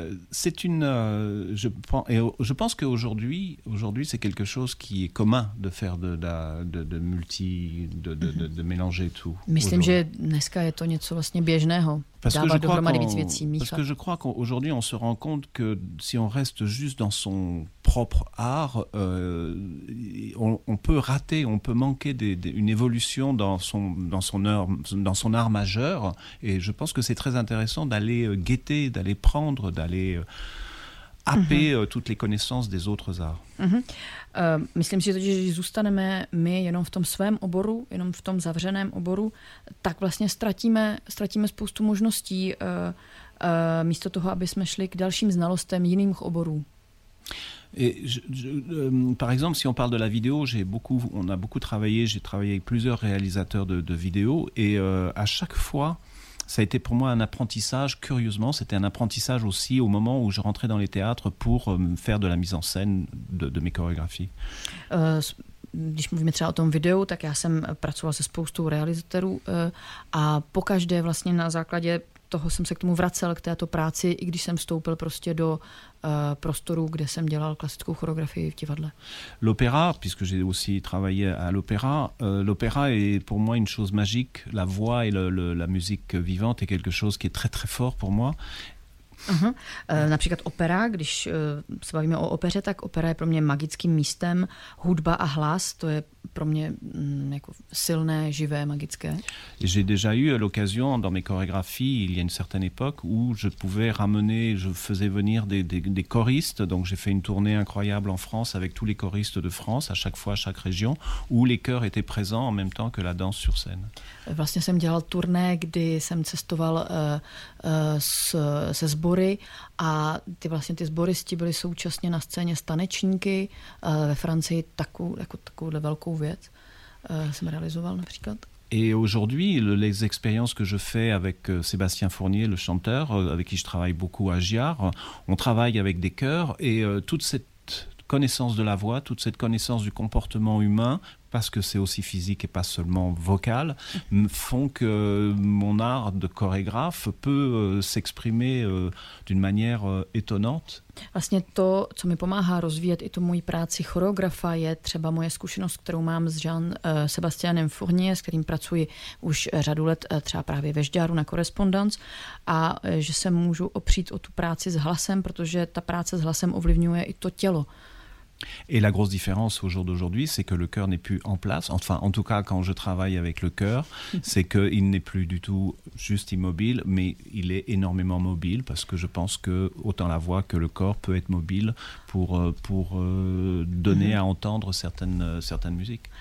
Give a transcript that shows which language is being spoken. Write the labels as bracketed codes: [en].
[fr] C'est je pense qu'aujourd'hui c'est quelque chose qui est commun de faire de mélanger tout. [cs] Myslím, že dneska je to něco vlastně běžného. [fr] Parce que je crois qu'aujourd'hui on se rend compte que si on reste juste dans son propre art, on peut rater, on peut manquer une évolution dans son art majeur. Et je pense que c'est très intéressant d'aller guetter, d'aller prendre, d'aller happer toutes les connaissances des autres arts. [cs] Myslím si totiž, že zůstaneme my jenom v tom svém oboru, jenom v tom zavřeném oboru, tak vlastně ztratíme spoustu možností místo toho, aby jsme šli k dalším znalostem jiných oborů. [fr] Et par exemple, si on parle de la vidéo, j'ai travaillé avec plusieurs réalisateurs de vidéos et à chaque fois, ça a été pour moi un apprentissage, curieusement, c'était un apprentissage aussi au moment où je rentrais dans les théâtres pour faire de la mise en scène de mes chorégraphies. [cs] Když mluvíme třeba o tom videu, tak já jsem pracoval se spoustou realizatérů a pokaždé vlastně na základě toho jsem se k tomu vracel, k této práci, i když jsem vstoupil prostě do prostoru, kde jsem dělal klasickou choreografii v divadle. [fr] L'opéra, puisque j'ai aussi travaillé à l'opéra, l'opéra est pour moi une chose magique, la voix et la musique vivante est quelque chose qui est très très fort pour moi. [cs] Například opera, když se bavíme o opeře, tak opera je pro mě magickým místem. Hudba a hlas, to je pro mě jako silné, živé, magické. [fr] J'ai déjà eu l'occasion dans mes chorégraphies il y a une certaine époque où je faisais venir des choristes, donc j'ai fait une tournée incroyable en France avec tous les choristes de France à chaque fois, à chaque région, où les chœurs étaient présents en même temps que la danse sur scène. [cs] Vlastně jsem dělal turné, kdy jsem cestoval se sbory a ty sboristi byly současně na scéně s tanečníky ve Francii takovouhle velkou věc jsem realizoval například. [fr] Et aujourd'hui, les expériences que je fais avec Sébastien Fournier, le chanteur, avec qui je travaille beaucoup à Gjár, on travaille avec des chœurs et toute cette connaissance de la voix, toute cette connaissance du comportement humain, parce que c'est aussi physique et pas seulement vocal, font que mon art de chorégraphe peut s'exprimer d'une manière étonnante. [cs] Vlastně to, co mi pomáhá rozvíjet i tu moji práci choreografa, je třeba moje zkušenost, kterou mám s Jean-Sebastianem Fournier, s kterým pracuji už řadu let třeba právě ve Žďáru na Correspondance, a že se můžu opřít o tu práci s hlasem, protože ta práce s hlasem ovlivňuje i to tělo. [fr] Et la grosse différence au jour d'aujourd'hui, c'est que le cœur n'est plus en place. Enfin, en tout cas, quand je travaille avec le cœur, c'est qu'il n'est plus du tout juste immobile, mais il est énormément mobile, parce que je pense que autant la voix que le corps peut être mobile pour donner à entendre certaines musiques.